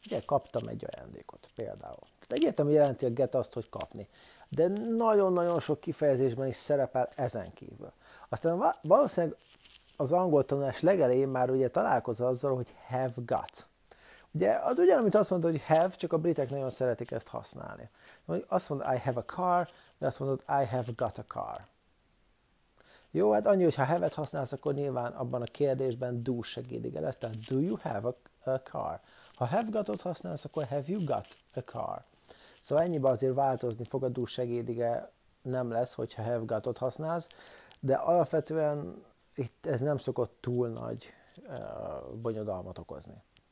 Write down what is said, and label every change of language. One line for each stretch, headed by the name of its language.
Hungarian: Ugye kaptam egy ajándékot például. Tehát egyértelműen jelenti a get azt, hogy kapni. De nagyon-nagyon sok kifejezésben is szerepel ezen kívül. Aztán valószínűleg az angol tanulás legelején már ugye találkozol azzal, hogy have got. Ugye az ugyan, amit azt mondod, hogy have, csak a britek nagyon szeretik ezt használni. Azt mondod,
English: I have a car,
Hungarian: vagy azt mondod,
English: I have got a car.
Hungarian: Jó, hát annyi, hogyha have-et használsz, akkor nyilván abban a kérdésben do segédig el lesz. Tehát
English: do you have a car?
Hungarian: Ha have got-ot használsz, akkor
English: have you got a car?
Hungarian: Szóval ennyiben azért változni fog a do segédige nem lesz, hogyha have got-ot használsz, de alapvetően itt ez nem szokott túl nagy bonyodalmat okozni.